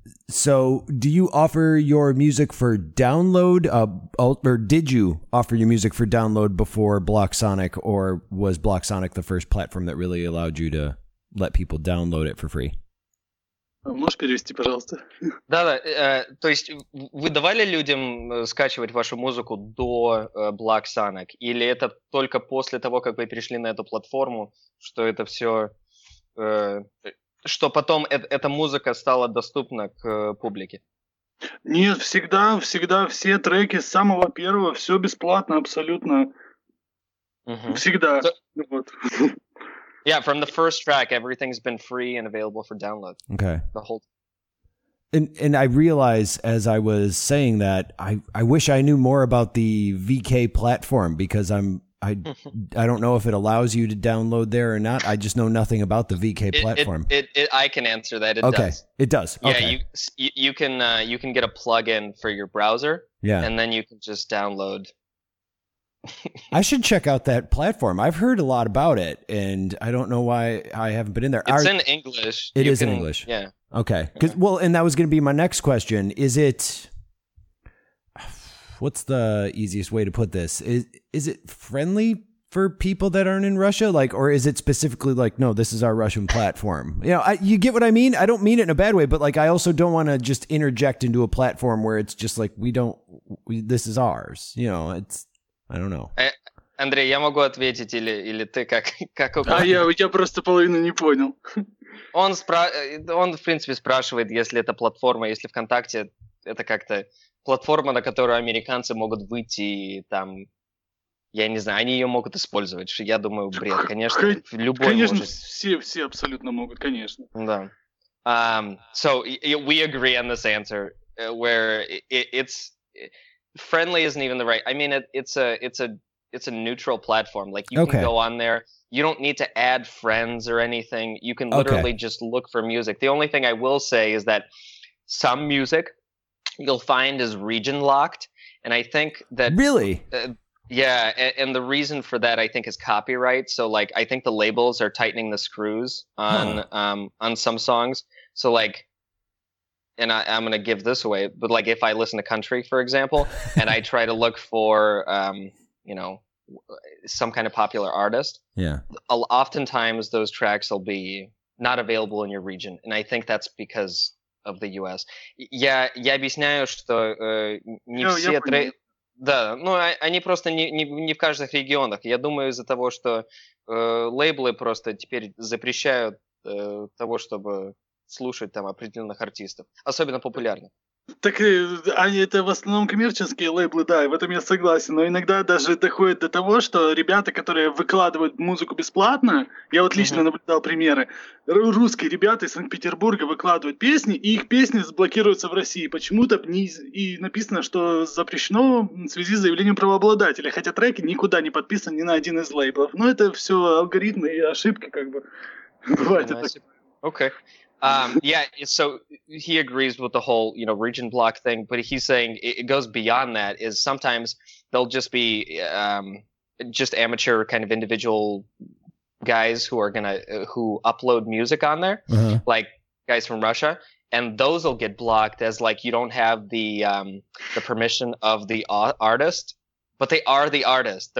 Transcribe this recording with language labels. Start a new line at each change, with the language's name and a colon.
English: So do you offer your music for download, or did you offer your music for download before Blacksonic, or was Blacksonic the first platform that really allowed you to let people download it for free?
Russian: Можешь перевести, пожалуйста? Да-да, то есть вы давали людям скачивать вашу музыку до Blacksonic, или это только после того, как вы перешли на эту платформу, что это все... что потом эта музыка стала доступна к публике? Нет, всегда, всегда все треки с самого первого, все бесплатно абсолютно. Всегда. So, вот.
English: Yeah, from the first track, everything's been free and available for download. Okay. The whole. And I realize as I was saying that, I wish I knew more about the VK platform, because I don't know if it allows you to download there or not. I just know nothing about the VK platform. I can answer that. It does. It does. Yeah, okay. You can you can get a plugin for your browser. Yeah. And then you can just download. I should check out that platform. I've heard a lot about it, and I don't know why I haven't been in there. It's in English. In English. Yeah. Okay. And that was going to be my next question. Is it... what's the easiest way to put this? Is it friendly for people that aren't in Russia? Like, or is it specifically like, no, this is our Russian platform? You know, you get what I mean? I don't mean it in a bad way, but like, I also don't want to just interject into a platform where it's just like, this is ours. You know, it's, I don't know.
Russian: Андрей, я могу ответить или ты как угодно. А я просто половину не понял. Он в принципе спрашивает, если это платформа, если ВКонтакте это как-то платформа, на которую американцы могут выйти и там, я не знаю, они ее могут использовать. Я думаю, бред, конечно, любой конечно, может. Конечно, все абсолютно могут, конечно. Да.
English: So we agree on this answer, where it's friendly isn't even the right. I mean, it's a neutral platform. Like you can go on there. You don't need to add friends or anything. You can literally just look for music. The only thing I will say is that some music you'll find is region locked, and I think that really. Yeah, and the reason for that, I think, is copyright. So, like, I think the labels are tightening the screws on on some songs. So, like, and I'm going to give this away, but, like, if I listen to country, for example, and I try to look for, you know, some kind of popular artist, yeah, oftentimes those tracks will be not available in your region. And I think that's because of the U.S.
Russian: Я объясняю, что не все треки... Да, ну они просто не в каждых регионах. Я думаю, из-за того, что лейблы просто теперь запрещают того, чтобы слушать там определенных артистов, особенно популярных. Так они это в основном коммерческие лейблы, да, и в этом я согласен. Но иногда даже доходит до того, что ребята, которые выкладывают музыку бесплатно, я вот лично наблюдал примеры, русские ребята из Санкт-Петербурга выкладывают песни, и их песни заблокируются в России. Почему-то и написано, что запрещено в связи с заявлением правообладателя, хотя треки никуда не подписаны ни на один из лейблов. Но это все алгоритмы и ошибки, как бы. Бывает это. Окей.
English: So he agrees with the whole, you know, region block thing, but he's saying it goes beyond that, is sometimes they'll just be just amateur kind of individual guys who are gonna who upload music on there, like guys from Russia, and those will get blocked as like you don't have the permission of the artist, but they are the artist.